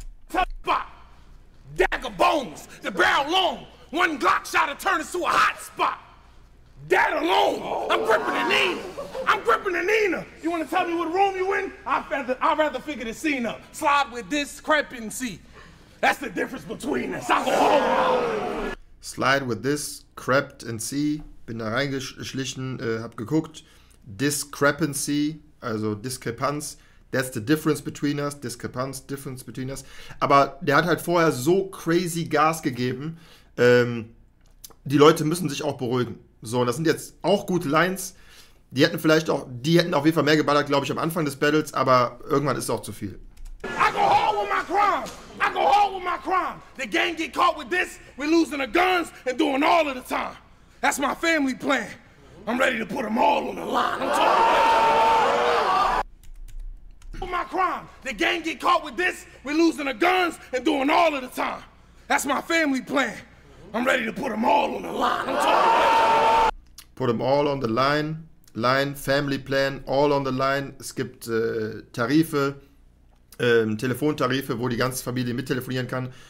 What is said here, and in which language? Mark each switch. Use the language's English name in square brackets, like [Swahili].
[English] Hotspot, dagger bones, the barrel long, one Glock shot will turn us to a hotspot, dead alone, I'm gripping the Nina, you wanna tell me what room you in? I'd rather figure the scene up, slide with discrepancy, that's the difference between us, I'm home. Slide with this, crept and see, [German] bin da reingeschlichen, hab geguckt, discrepancy, also Diskrepanz, [English] that's the difference between us, [German] Diskrepanz, [English] difference between us, [German] aber der hat halt vorher so crazy Gas gegeben, die Leute müssen sich auch beruhigen, so, und das sind jetzt auch gute Lines, die hätten auf jeden Fall mehr geballert, glaube ich, am Anfang des Battles, aber irgendwann ist es auch zu viel. [English] I go home with my crime. I go home with my crime. The gang get caught with this, we losing the guns and doing all of the time. That's my family plan. I'm ready to put them all on the line. I'm talking about my crime. The gang get caught with this, we losing the guns and doing all of the time. That's my family plan. I'm ready to put them all on the line. I'm talking about put them all on the line. Line, Family Plan, All on the Line. [German] Es gibt Tarife, Telefontarife, wo die ganze Familie mittelefonieren kann.